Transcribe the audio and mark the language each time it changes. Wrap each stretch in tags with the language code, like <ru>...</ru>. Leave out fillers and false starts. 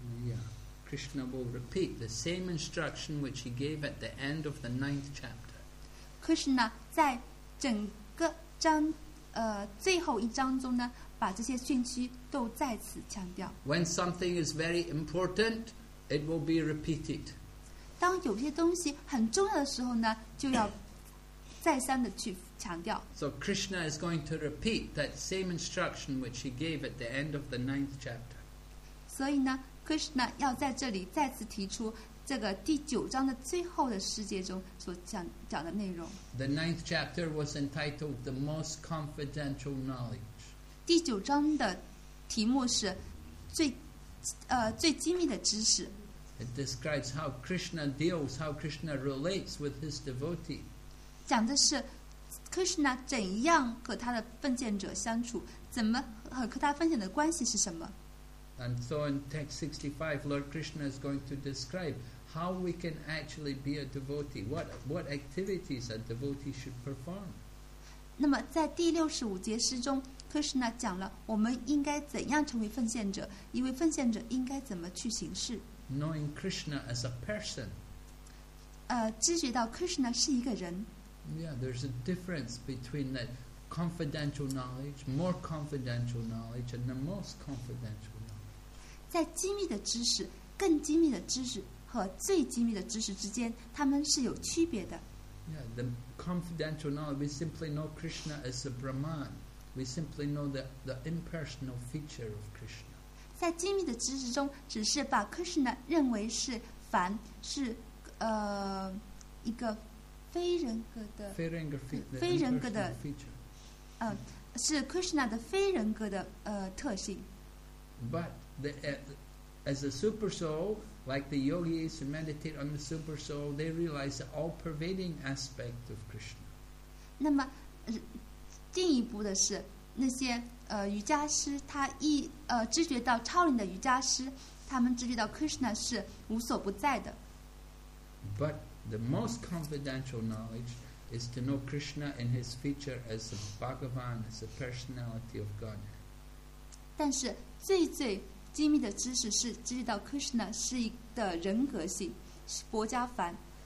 <en>Yeah, Krishna will repeat the same instruction which he gave at the end of the ninth chapter.</en> <zh>Krishna 在整个章最后一章中呢，把这些讯息都再次强调。</zh> <en>When something is very important, it will be repeated.</en> <zh>当有些东西很重要的时候呢，就要再三的去强调。</zh> <en>So Krishna is going to repeat that same instruction which he gave at the end of the ninth chapter.</en> <zh>所以呢 ，Krishna 要在这里再次提出这个第九章的最后的十节中所讲的内容。</zh> <en>The ninth chapter was entitled "The Most Confidential Knowledge."</en> <zh>第九章的题目是最机密的知识。</zh> <en>It describes how Krishna deals, how Krishna relates with his devotee.</en> <zh>讲的是 Krishna 怎样和他的奉献者相处，怎么和他奉献的关系是什么。</zh> <en>And so in text 65, Lord Krishna is going to describe how we can actually be a devotee, what activities a devotee should perform.</en> <zh>那么在第六十五节诗中 ，Krishna 讲了我们应该怎样成为奉献者，一位奉献者应该怎么去行事。</zh> <en>Knowing Krishna as a person.</en> <zh>知觉到 Krishna 是一个人。</zh> <en>Yeah, there's a difference between that confidential knowledge, more confidential knowledge, and the most confidential knowledge.</en> <zh>在机密的知识、更机密的知识和最机密的知识之间，他们是有区别的。</zh> <en>Yeah, the confidential knowledge, we simply know Krishna as a Brahman. We simply know the impersonal feature of Krishna.</en> <zh>在机密的知识中，只是把 Krishna 认为是梵，是一个非人格的非人格的 feature. 是 Krishna 的非人格的特性。</zh> <en>But as a super soul, like the yogis who meditate on the super soul, they realize the all-pervading aspect of Krishna.</en> <zh>那么，进一步的是那些瑜伽师，他一知觉到超龄的瑜伽师，他们知觉到 Krishna 是无所不在的。</zh> <en>But the most confidential knowledge is to know Krishna in his feature as the Bhagavan, as the personality of Godhead.</en> <zh>但是最最机密的知识是知道 Krishna 是的人格性，是薄伽梵。</zh>